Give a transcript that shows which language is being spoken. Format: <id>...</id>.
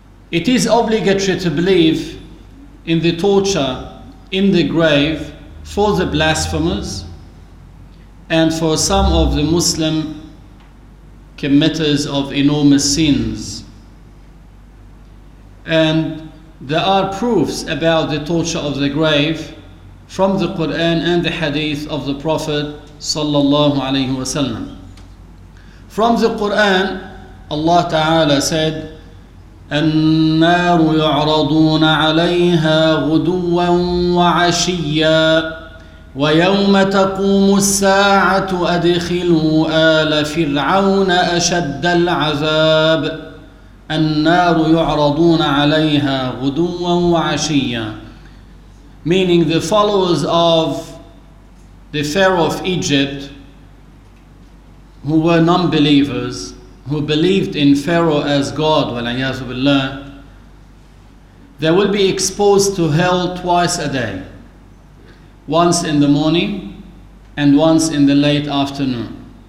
<en>It is obligatory to believe in the torture in the grave for the blasphemers and for some of the Muslim committers of enormous sins. And there are proofs about the torture of the grave from the Quran and the hadith of the Prophet sallallahu alayhi wa sallam. From the Quran, Allah Ta'ala said,</en> <ar>النار يعرضون عليها غدوا وعشيا ويوم تقوم الساعة أدخلوا آل فرعون أشد العذاب. النار يعرضون عليها غدوا وعشيا.</ar> <en>Meaning the followers of the Pharaoh of Egypt, who were non-believers, who believed in Pharaoh as God, wal-iyazu billah, they will be exposed to hell twice a day, once in the morning and once in the late afternoon.</en>